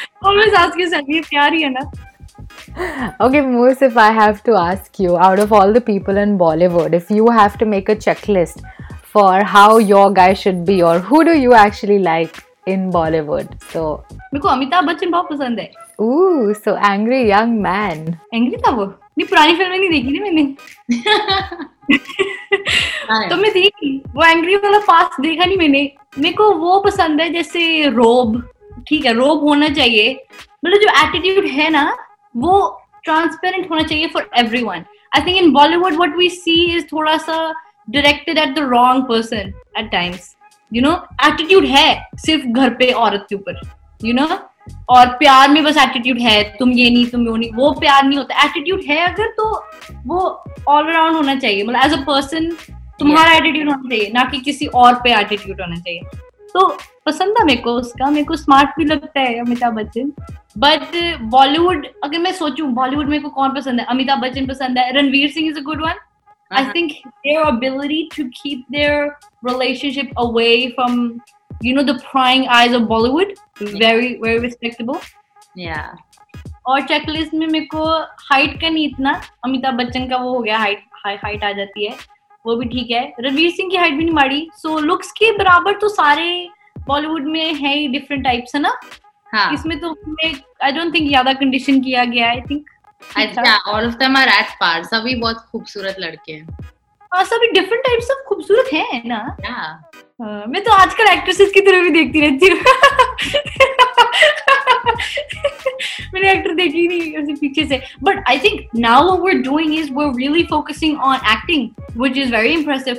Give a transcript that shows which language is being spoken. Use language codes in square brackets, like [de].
[en] Always ask yourself, [hi] ये प्यार ही है ना. [en] Okay, Moose, if I have to ask you, out of all the people in Bollywood, if you have to make a checklist for how your guy should be, or who do you actually like in Bollywood? So, [hi] मेरे को अमिताभ बच्चन बहुत पसंद है. [en] Ooh, so angry young man. [hi] Angry था वो? नहीं पुरानी फिल्में नहीं देखी थी मैंने तो मैं थी वो एंग्री वाला फास्ट देखा नहीं मैंने. मेरे को वो पसंद है जैसे रोब, ठीक है रोब होना चाहिए, मतलब जो एटीट्यूड है ना वो ट्रांसपेरेंट होना चाहिए for everyone. [en] I think in Bollywood what we see is थोड़ा सा directed at the wrong person at times. [hi] You know attitude है सिर्फ घर पे औरत के ऊपर, यू नो, और प्यार में बस एटीट्यूड है, तुम ये नहीं तुम वो नहीं, वो प्यार नहीं होता. एटीट्यूड है अगर तो वो ऑल अराउंड होना चाहिए, मतलब एज अ पर्सन तुम्हारा एटीट्यूड होना चाहिए, ना कि किसी और पे एटीट्यूड होना चाहिए. तो पसंद था मेरे को उसका, मेरे को स्मार्ट भी लगता है अमिताभ बच्चन. बट बॉलीवुड अगर मैं सोचूं बॉलीवुड मेरे को कौन पसंद है, अमिताभ बच्चन पसंद है, [en] Ranveer Singh is a good one. I think their ability to keep their relationship away from you know the prying eyes of Bollywood, very very respectable. Yeah. [hi] और checklist में मेरे को height का नहीं इतना, अमिताभ बच्चन का वो हो गया height आ जाती है, वो भी ठीक है. रणवीर सिंह की height भी नहीं माड़ी, so looks के बराबर तो सारे Bollywood में है ही different types है ना. हाँ. इसमें तो [en] I don't think [hi] ज़्यादा condition किया गया, I think. [en] Yeah, all of them are at par. [hi] सभी बहुत खूबसूरत लड़के हैं. हाँ सभी different types of खूबसूरत हैं ना. [en] Yeah. [hi] मैं तो आजकल एक्ट्रेसेस की तरह भी देखती रहती हूँ. मैंने एक्टर देखी नहीं उसे पीछे से. [en] But I think now what we are doing is we are really focusing on acting which is very impressive.